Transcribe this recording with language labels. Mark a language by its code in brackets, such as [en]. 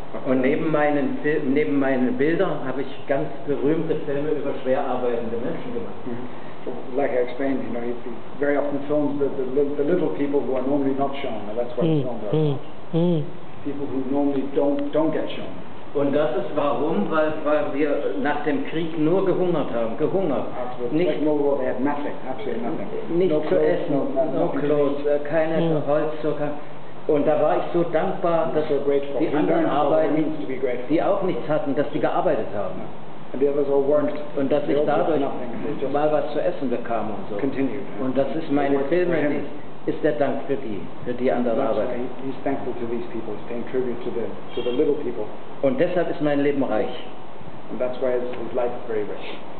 [de] Und neben meinen Bildern habe ich ganz berühmte Filme über schwer arbeitende Menschen gemacht. Mm-hmm. [en] Like I explained, he very often films the little people who are normally not shown. And that's what he's filmed about. People who normally don't get shown. [de] Und das ist warum, weil wir nach dem Krieg nur gehungert haben, gehungert. Nicht nur, [en] they had nothing, absolutely nothing. [de] Nicht zu essen, [en] no clothes, [de] keine Holz, Zucker. Und da war ich so dankbar, dass so die anderen arbeiten, die auch nichts hatten, dass die gearbeitet haben. [en] And the others all worked. [de] Und dass ich dadurch mal was zu essen bekam und so. [en] Continued. [de] Und das ist meine Filme, ist der Dank für die andere Arbeit. [en] He's thankful to these people, he's paying tribute to the little people. [de] Und deshalb ist mein Leben reich. [en] And that's why his life is very rich.